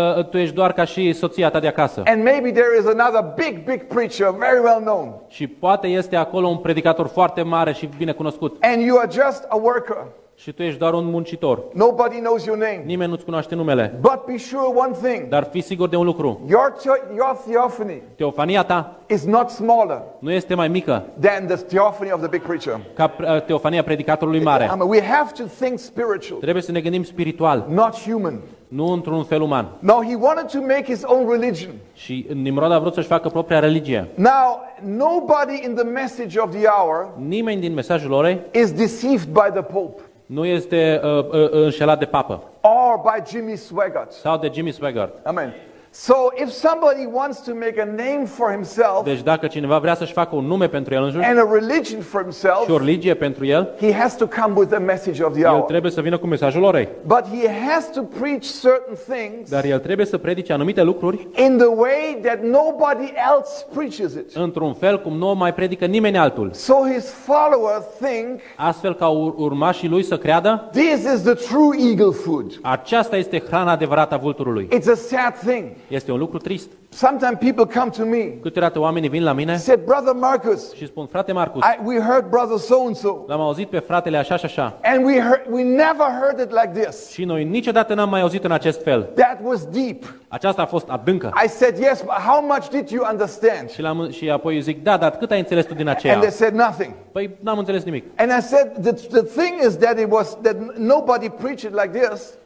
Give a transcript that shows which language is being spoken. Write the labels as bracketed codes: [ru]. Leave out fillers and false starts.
[ro] Tu ești doar ca și soția ta de acasă. [en] And maybe there is another big preacher very well known. [ro] Și poate este acolo un predicator foarte mare și bine cunoscut. [en] And you are just a worker. [ro] Și tu ești doar un muncitor. [en] Nobody knows your name. [ro] Nimeni nu-ți cunoaște numele. [en] But be sure one thing. [ro] Dar fii sigur de un lucru. [en] Your theophany. [ro] Teofania ta. [en] Is not smaller. [ro] Nu este mai mică. [en] Than the theophany of the big preacher. [ro] Ca teofania predicatorului mare. [en] We have to think spiritual. [ro] Trebuie să ne gândim spiritual. [en] Not human. [ro] Nu într-un fel uman. [en] Now he wanted to make his own religion. [ro] Și Nimrod a vrut să-și facă propria religie. [en] Now nobody in the message of the hour. [ro] Nimeni din mesajul orei. [en] Is deceived by the pope. [ro] Nu este înșelat de papă. [en] Or by Jimmy Swaggart. [ro] Sau de Jimmy Swaggart. [en] Amen. So if somebody wants to make a name for himself. [ro] Deci dacă cineva vrea să-și facă un nume pentru el însuși. [en] And a religion for himself. [ro] Și o religie pentru el. [en] He has to come with the message of the hour. [ro] El trebuie să vină cu mesajul orei. [en] But he has to preach certain things. [ro] Dar el trebuie să predice anumite lucruri. [en] In the way that nobody else preaches it. [ro] Într-un fel cum nu o mai predică nimeni altul. [en] So his followers think. [ro] Astfel ca urmașii lui să creadă. [en] This is the true eagle food. [ro] Aceasta este hrana adevărată a vulturului. [en] It's a sad thing. [ro] Este un lucru trist. [en] Sometimes people come to me. [ro] Câteodată oamenii vin la mine. [en] Said brother Marcus. [ro] Și spun frate Marcus. [en] We heard brother so and so. [ro] L-am auzit pe fratele așa și așa. [en] And we never heard it like this. [ro] Și noi niciodată n-am mai auzit în acest fel. [en] That was deep. [ro] Aceasta a fost adâncă. [en] I said yes, but how much did you understand? [ro] Și apoi zic da, dar cât ai înțeles tu din aceea? [en] And they said nothing. [ro] Păi n-am înțeles nimic. [en] And I said the thing is that it was that nobody preached it like this.